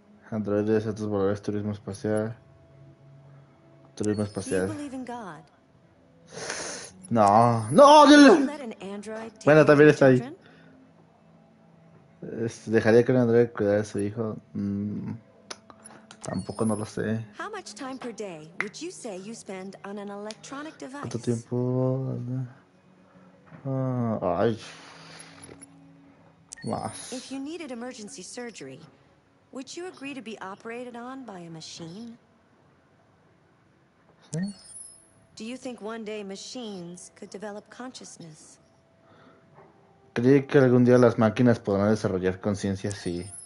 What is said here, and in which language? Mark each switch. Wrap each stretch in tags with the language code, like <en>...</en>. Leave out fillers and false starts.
<es>Androides, autos voladores, turismo espacial. Turismo espacial.</es> <en>Do you believe in God?</en> <es>No. No, Dios. Bueno, también está ahí. ¿Dejaría que un androide cuidara a su hijo? Tampoco no lo sé.</es> <en>How much time per day would you say you spend on an electronic device?</en> <es>¿Cuánto tiempo? Ay.</es> <en>If you needed emergency surgery, would you agree to be operated on by a machine?</en> <es>¿Sí?</es> <en>Do you think one day machines could develop consciousness?</en> <es>¿Cree que algún día las máquinas podrán desarrollar conciencia? Sí.</es>